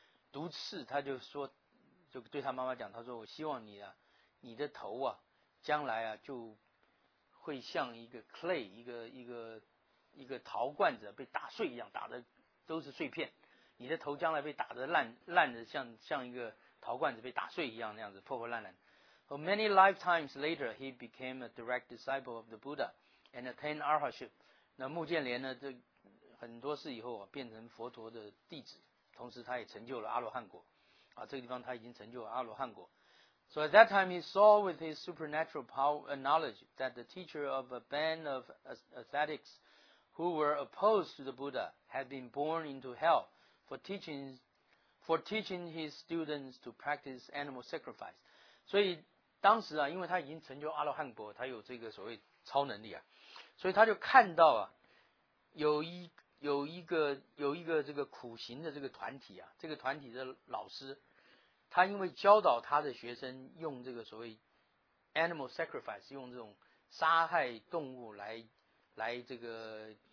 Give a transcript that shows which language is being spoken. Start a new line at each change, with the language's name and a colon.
Chinese: 毒刺，他就说，就对他妈妈讲，他说我希望你啊，你的头啊，将来啊就会像一个 clay， 一个陶罐子被打碎一样，打的都是碎片，你的头将来被打得烂的像一个陶罐子被打碎一样，那样子破破烂烂。
English: So many lifetimes later, he became a direct disciple of the Buddha and attained arhatship.
Chinese: 那穆建莲呢，这很多事以后啊，变成佛陀的弟子。同时他也成就了阿罗汉果啊，这个地方他已经成就了阿罗汉果。
English: So at that time he saw with his supernatural power knowledge that the teacher of a band of ascetics who were opposed to the Buddha had been born into hell for teaching his students to practice animal sacrifice.
Chinese: 所以当时啊，因为他已经成就阿罗汉果，他有这个所谓超能力啊，所以他就看到啊，有一个这个苦行的这个团体啊，这个团体的老师，他因为教导他的学生用这个所谓 animal sacrifice， 用这种杀害动物来这个